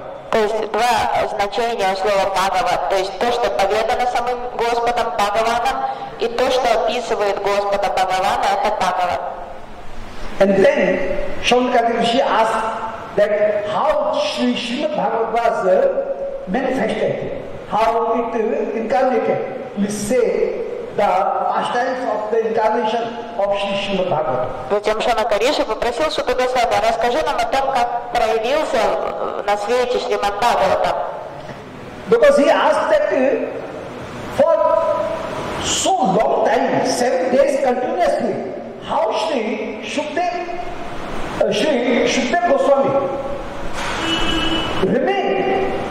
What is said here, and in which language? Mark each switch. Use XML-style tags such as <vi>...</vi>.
<ru>То есть два значения слова Бхагават, то есть то, что поведано самым Господом Бхагаваном, и то, что описывает Господа Бхагавана, это Бхагават.</ru> <en>And then Shankara Rishi asked that how Shri Srimad Bhagavat was manifested, how it incarnated. We say the pastimes of the incarnation of Shri Srimad Bhagavatam.</en> <ru>Затем Шанака Риши попросил Шута Госвами, расскажи нам о том, как проявился на свете Шримад Бхагаватам.</ru> <en>Because he asked that for so long time, 7 days continuously, how Shri Shukdev Goswami remained</en>